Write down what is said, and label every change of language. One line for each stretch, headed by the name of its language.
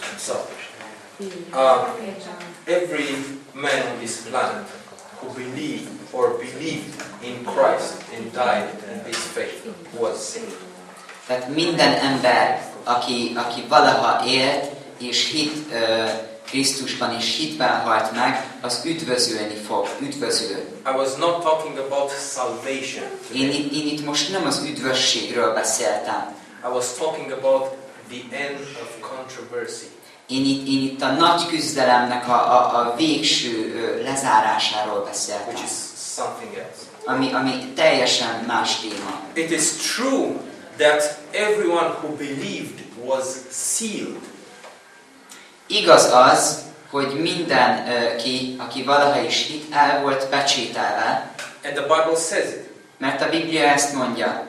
English: Okay. So, every man on this planet who believed in Christ and died in his faith was saved.
Hungarian: Tehát minden ember, aki valaha élt, és hit Krisztusban is hitben halt meg, az üdvözülni fog, üdvözül.
English: I was not talking about salvation.
Hungarian: Én itt most nem az üdvösségről beszéltem.
English: I was talking about the end of controversy.
Hungarian: Én itt a nagy küzdelemnek a végső lezárásáról beszéltem.
English: Which is something else.
Hungarian: Ami teljesen más téma.
English: It is true that everyone who believed was sealed.
Hungarian: Igaz az, hogy minden ki, aki valaha is hit, el volt pecsételve.
English: And the Bible says it.
Hungarian: Mert a Biblia ezt mondja.